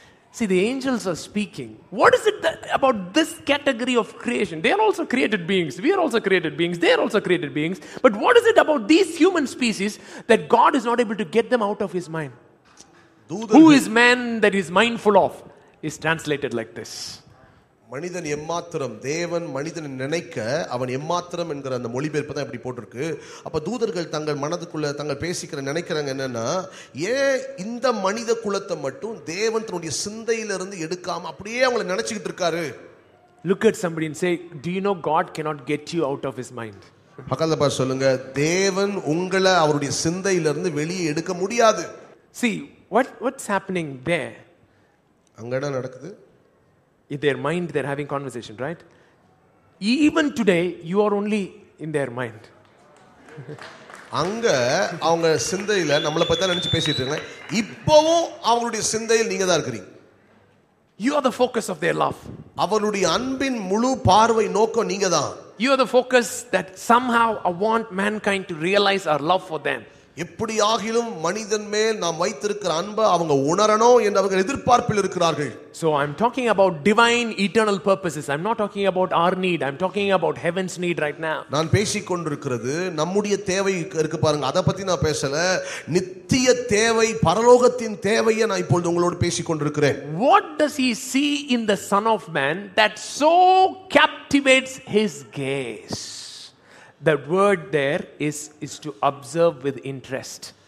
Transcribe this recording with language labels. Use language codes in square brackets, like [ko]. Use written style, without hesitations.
[en] See, the angels are speaking. What is it that, about this category of creation? They are also created beings. We are also created beings. They are also created beings. But what is it about these human species that God is not able to get them out of his mind? Who is man that he is mindful of? Is translated like this. [ta] மனிதன் எம்மாத்திரம், தேவன் மனிதன் நினைக்க அவன் எம்மாத்திரம் என்கிற அந்த மொழிபெயர்ப்பு தான் இப்படி போட்டிருக்கு. அப்ப தூதர்கள் தங்கள் மனதுக்குள்ள தங்கள் பேசிக்கிற நினைக்கிறாங்க என்னன்னா, ஏன் இந்த மனித குலத்தை மட்டும் தேவன் தன்னுடைய சிந்தையிலிருந்து எடுக்காம அப்படியே அவங்கள நினைச்சுக்கிட்டு இருக்காரு? [en] Look at somebody and say, do you know God cannot get you out of his mind? [ta] பக்கத்துல பார்த்து சொல்லுங்க, தேவன் உங்களை அவருடைய சிந்தையிலிருந்து வெளியே எடுக்க முடியாது. [en] See, what's happening there? [ta] அங்க என்ன நடக்குது? [en] In their mind, they're having conversation, right? Even today, you are only in their mind. [ta] அங்க அவங்க சிந்தையில நம்மள பத்தி தான் நினைச்சு பேசிட்டு இருக்காங்க. இப்பவும் அவங்களுடைய சிந்தையில் நீங்க தான் இருக்கிறீங்க. [en] You are the focus of their love. [ta] அவளுடைய அன்பின் முழு பார்வை நோக்கம் நீங்க தான். [en] You are the focus that somehow I want mankind to realize our love for them. [ta] எப்படியாகிலும் மனிதன் மேல் நாம் வைத்திருக்கிற அன்பை அவங்க உணரணும் என்று அவர்கள் எதிர்பார்ப்பில் இருக்கிறார்கள். [en] So I'm talking about divine eternal purposes. I'm not talking about our need. I'm talking about heaven's need right now. [ta] நான் பேசிக் கொண்டிருக்கிறது நம்முடைய தேவை இருக்கு பாருங்க, அதை பத்தி நான் பேசல. நித்திய தேவை, பரலோகத்தின் தேவையை நான் இப்பொழுது உங்களோடு பேசிக் கொண்டிருக்கிறேன். [en] What does he see in the Son of Man that so captivates his gaze? That word there is to observe with interest.